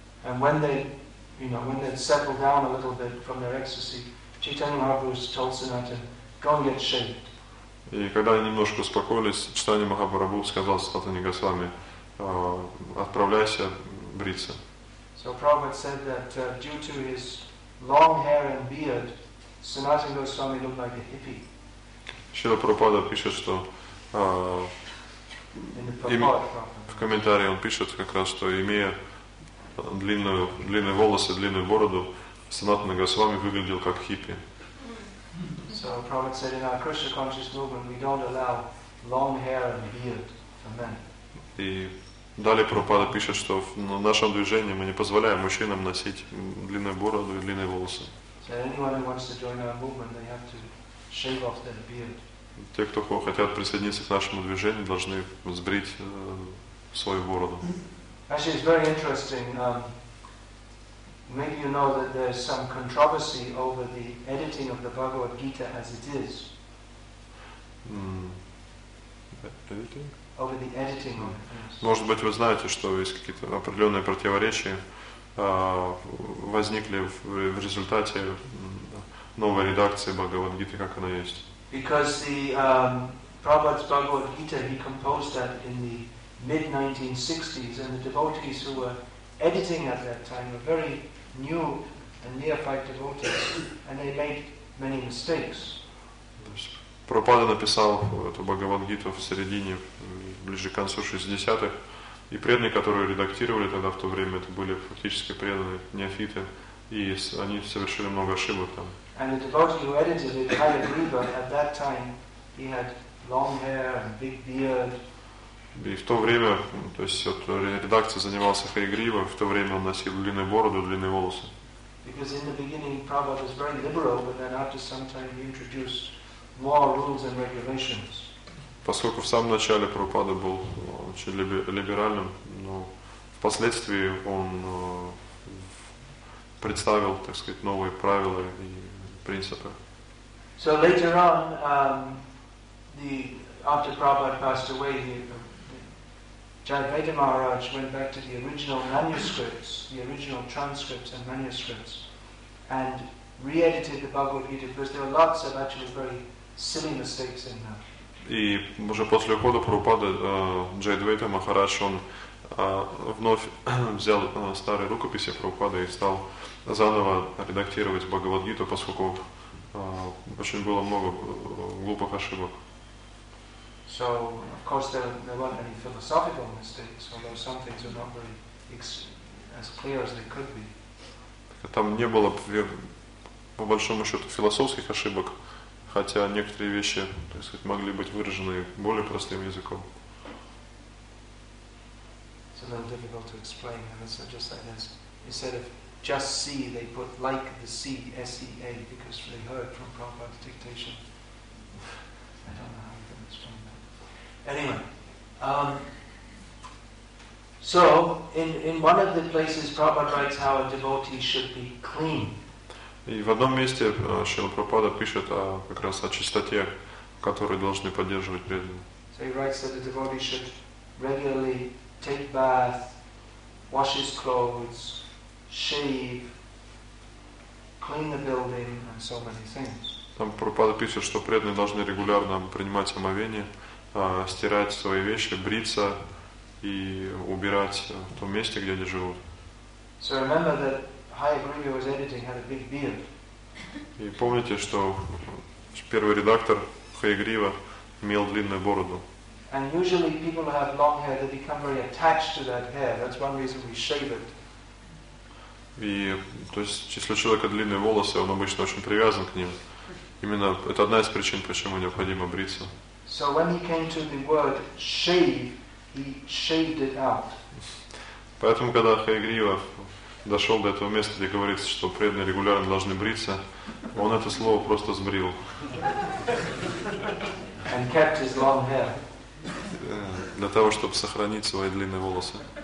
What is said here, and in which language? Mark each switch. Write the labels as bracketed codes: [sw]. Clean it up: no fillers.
[en] And when they, you know, when they settled down a little bit from their ecstasy, Chaitanya Mahaprabhu told Sanatana, go and get shaved. [ru] И когда они немножко успокоились, Чайтанья Махапрабху сказал Сатане Госвами, отправляйся бриться. [en] So Prabhupada said that due to his long hair and beard, Sanatana Goswami looked like a hippie. [ru] Шрила Прабхупада пишет, что в комментарии он пишет как раз, что имея длинные волосы, длинную бороду, Санатана Госвами выглядел как хиппи. [en] So Prabhupada said in our Krishna conscious movement we don't allow long hair and beard for men. [ru] И далее Прабхупада пишет, что в нашем движении мы не позволяем мужчинам носить длинную бороду и длинные волосы. [en] So anyone who wants to join our movement they have to shave off their beard. [ru] Те, кто хотят присоединиться к нашему движению, должны сбрить свою бороду. [en] Actually, it's very interesting. Maybe you know that there's some controversy over the editing of the Bhagavad Gita as it is. Editing? Over the editing of it. Yes. [ru] Может быть, вы знаете, что есть какие-то определенные противоречия возникли в результате новой редакции Бхагавад Гиты, как она есть. [en] Because the Prabhupada's Bhagavad Gita, he composed that in the mid-1960s, and the devotees who were editing at that time were very new and neophyte devotees, and they made many mistakes. [ru] Prabhupada написал эту Bhagavad Gita в середине, ближе к концу 60-х, и преданные, которые редактировали тогда в то время, это были фактически преданные неофиты, и они совершили много ошибок там. [en] And the devotee who edited it, Hayagriva, at that time, he had long hair and big beard. [ru] И в то время, то есть вот редакция занимался Хайгрива, в то время он носил длинную бороду, длинные волосы. [en] Because in the beginning, Prabhupada was very liberal, but then after some time, he introduced more rules and regulations. [ru] Поскольку в самом начале Прабхупада был очень либеральным, но впоследствии он представил, так сказать, новые правила и принципы. [en] So later on, after Prabhupada passed away, Jayadvaita Maharaj went back to the original manuscripts, the original transcripts and manuscripts, and re-edited the Bhagavad Gita because there were lots of actually very silly mistakes in that. [ru] И уже после ухода Прабхупады Джайадвайта Махарадж он вновь взял старые рукописи Прабхупады и стал заново редактировать Бхагавад-гиту, поскольку очень было много глупых ошибок. [en] So, of course, there weren't any philosophical mistakes, although some things are not very as clear as they could be. [ru] Там не было, по большому счету, философских ошибок, хотя некоторые вещи, так сказать, могли быть выражены более простым языком. [en] It's a little difficult to explain, and it's just like this. Instead of just see, they put like the sea, S-E-A, because they heard from Prabhupada's dictation. I don't know how you can explain that. Anyway, so in one of the places Prabhupada writes how a devotee should be clean. [ru] И в одном месте Шрила Прабхупада пишет о как раз о чистоте, которую должны поддерживать преданные. [en] So he writes that the devotee should regularly take bath, wash his clothes, shave, clean the building, and so many things. [ru] Там Прабхупада пишет, что преданные должны регулярно принимать омовение, стирать свои вещи, бриться и убирать в том месте, где они живут. [en] So remember that Hayagriva was editing had a big beard. [ru] И помните, что первый редактор Хайгрива имел длинную бороду. [en] And usually people who have long hair, they become very attached to that hair. That's one reason we shave it. [ru] И то есть, если у человека длинные волосы, он обычно очень привязан к ним. Именно это одна из причин, почему необходимо бриться. [en] So when he came to the word shave, he shaved it out. [ru] Поэтому, когда Хайгрива дошел до этого места, где говорится, что преданные регулярно должны бриться, он это слово просто сбрил. [en] And kept his long hair. [ru] Для того, чтобы сохранить свои длинные волосы.